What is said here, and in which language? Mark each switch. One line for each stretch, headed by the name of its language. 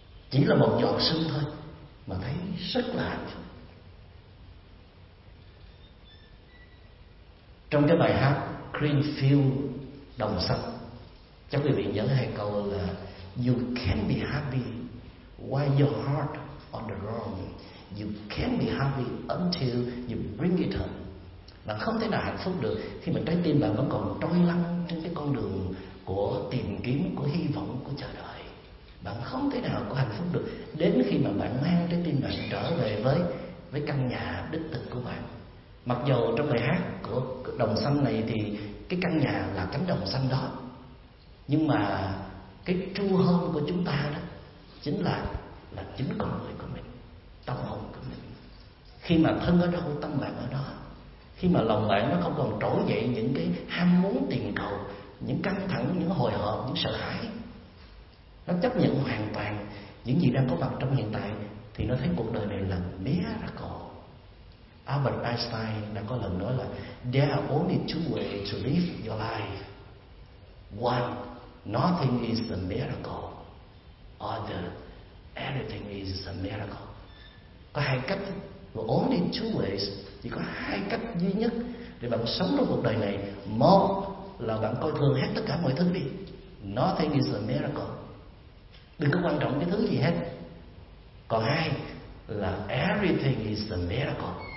Vietnamese: Chỉ là một giọt sương thôi mà thấy rất là hạnh phúc. Trong cái bài hát Greenfield đồng xanh, chắc quý vị nhớ hai câu là
English: You can be happy while your heart on the run. You can be happy until you bring it home.
Vietnamese: Bạn không thể nào hạnh phúc được khi mà trái tim bạn vẫn còn trôi lăn trên cái con đường của tìm kiếm, của hy vọng, của chờ đợi. Bạn không thể nào có hạnh phúc được đến khi mà bạn mang trái tim bạn trở về với căn nhà đích thực của bạn. Mặc dù trong bài hát của đồng xanh này thì cái căn nhà là cánh đồng xanh đó, nhưng mà cái
English: true home
Vietnamese: của chúng ta đó chính là chính con người của mình, tâm hồn của mình. Khi mà thân ở đâu, tâm bạn ở đó. Khi mà lòng bạn nó không còn trỗi dậy những cái ham muốn tiền cầu, những căng thẳng, những hồi hộp, những sợ hãi, nó chấp nhận hoàn toàn những gì đang có mặt trong hiện tại, thì nó thấy cuộc đời này là mía ra cò.
English: Albert Einstein đã có lần nói là there are only two ways to live your life. One, nothing is a miracle. Other, everything is a miracle.
Vietnamese: Có hai cách,
English: only two ways,
Vietnamese: chỉ có hai cách duy nhất để bạn sống trong cuộc đời này. Một là bạn coi thường hết tất cả mọi thứ đi.
English: Nothing is a miracle.
Vietnamese: Đừng có quan trọng cái thứ gì hết. Còn hai là
English: everything is a miracle.